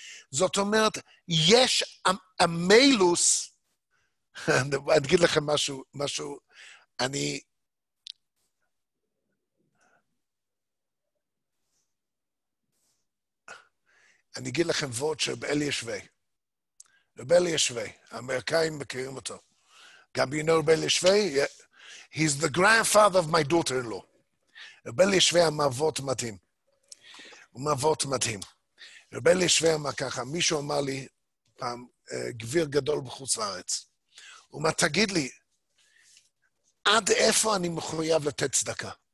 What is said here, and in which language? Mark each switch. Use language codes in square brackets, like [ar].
[he] זאת אומרת, יש המילוס, אני אגיד לכם משהו, אני... אני אגיד לכם וורד של רב אלי ישווה. רב אלי ישווה, האמריקאים מכירים אותו. גם [en] you know [he] רב אלי ישווה? [en] He's the grandfather of my daughter-in-law. [he] רב אלי ישווה אמר וורד מתאים. רב אלי ישווה אמר ככה, מישהו אמר לי פעם, גביר גדול בחוץ לארץ. הוא אמר, תגיד לי, עד איפה אני מחויב לתת צדקה?